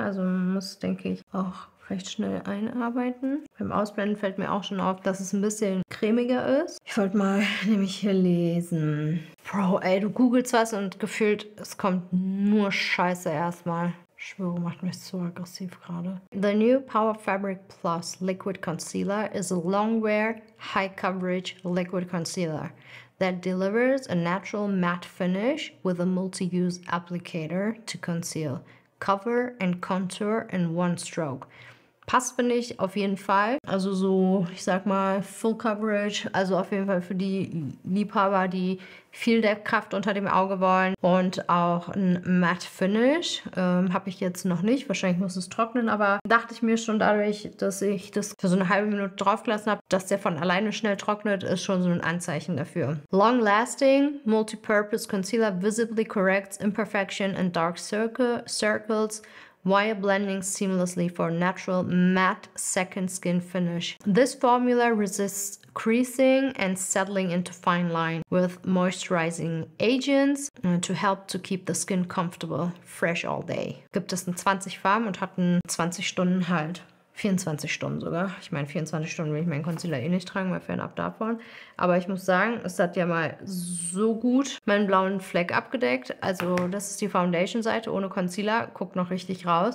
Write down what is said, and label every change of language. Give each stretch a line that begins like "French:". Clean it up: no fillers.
German: Also man muss, denke ich, auch recht schnell einarbeiten. Beim Ausblenden fällt mir auch schon auf, dass es ein bisschen cremiger ist. Ich wollte mal nämlich hier lesen. Bro, ey, du googelst was und gefühlt, es kommt nur Scheiße erstmal. Schwöre, macht mich so aggressiv gerade.
English: The new Power Fabric Plus Liquid Concealer is a long-wear, high-coverage liquid concealer that delivers a natural matte finish with a multi-use applicator to conceal, cover and contour in one stroke.
German: Passt, finde ich, auf jeden Fall. Also so, ich sag mal, Full Coverage. Also auf jeden Fall für die Liebhaber, die viel Deckkraft unter dem Auge wollen. Und auch ein Matte Finish. Habe ich jetzt noch nicht. Wahrscheinlich muss es trocknen. Aber dachte ich mir schon dadurch, dass ich das für so eine halbe Minute draufgelassen habe, dass der von alleine schnell trocknet, ist schon so ein Anzeichen dafür.
English: Long Lasting Multipurpose Concealer visibly corrects imperfection and dark circles. While blending seamlessly for natural matte second skin finish. This formula resists creasing and settling into fine line with moisturizing agents to help to keep the skin comfortable, fresh all day.
German: Gibt es in 20 Farben und hat einen 20 Stunden Halt. 24 Stunden sogar. Ich meine, 24 Stunden will ich meinen Concealer eh nicht tragen, mal fernab davon. Aber ich muss sagen, es hat ja mal so gut meinen blauen Fleck abgedeckt. Also das ist die Foundation-Seite ohne Concealer. Guckt noch richtig raus.